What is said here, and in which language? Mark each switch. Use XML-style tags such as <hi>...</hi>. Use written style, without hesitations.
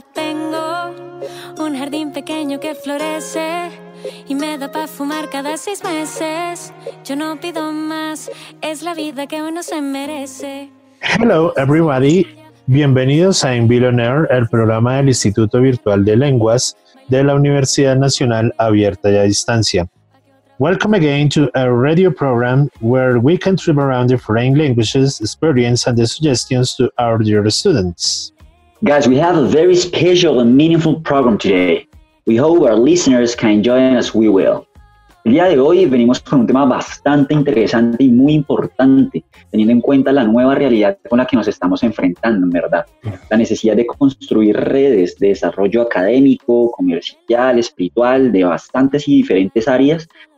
<es>Tengo un jardín pequeño que florece y me da pa' fumar cada 6 meses. Yo no pido más, es la vida que uno se merece.</es> <en>Hello everybody,</en> <es>bienvenidos a In Billionaire, el programa del Instituto Virtual de Lenguas de la Universidad Nacional Abierta y a Distancia.</es> <en>Welcome again to a radio program where we can trip around the foreign languages, experience, and the suggestions to our dear students. Guys, we have a very special and meaningful program today. We hope our listeners can enjoy as we will.</en> <es>El día de hoy venimos con un tema bastante interesante y muy importante, teniendo en cuenta la nueva realidad con la que nos estamos enfrentando, ¿verdad? La necesidad de construir redes de desarrollo académico, comercial, espiritual, de bastantes y diferentes áreas.</es>